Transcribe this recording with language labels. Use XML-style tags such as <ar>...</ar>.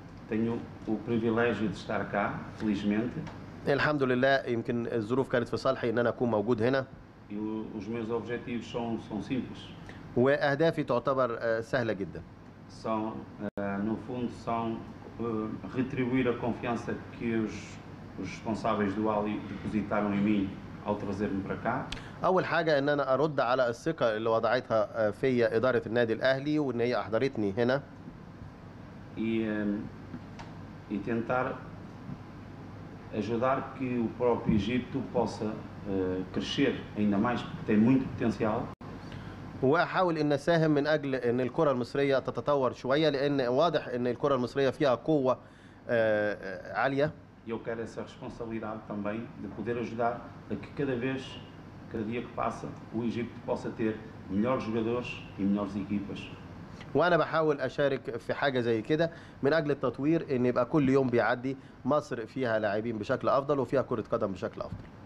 <pt>Tenho o privilégio de estar cá, felizmente.</pt> <ar>الحمد لله يمكن الظروف كانت في صالحي ان انا اكون موجود هنا.</ar> <pt>E os meus objetivos são simples.</pt> <ar>واهدافي تعتبر سهله جدا.</ar> <pt>No fundo são retribuir a confiança que os responsáveis do Ali depositaram em mim ao trazer-me para cá.</pt> <ar>أول حاجة إن أنا أرد على الثقة اللي وضعتها في إدارة النادي الأهلي وإن هي أحضرتني هنا.</ar> <pt>E tentar ajudar que o próprio Egito possa crescer ainda mais, porque tem muito potencial.</pt> <ar>وأحاول إن أساهم من أجل إن الكرة المصرية تتطور شوية، لأن واضح إن الكرة المصرية فيها قوة عالية.</ar> <pt>E eu quero essa responsabilidade também de poder ajudar a que cada vez, cada dia que passa, o Egito possa ter melhores jogadores e melhores equipas.</pt> <ar>وأنا بحاول أشارك في حاجة زي كده من أجل التطوير، إن يبقى كل يوم بيعدي مصر فيها لاعبين بشكل أفضل وفيها كرة قدم بشكل أفضل.</ar>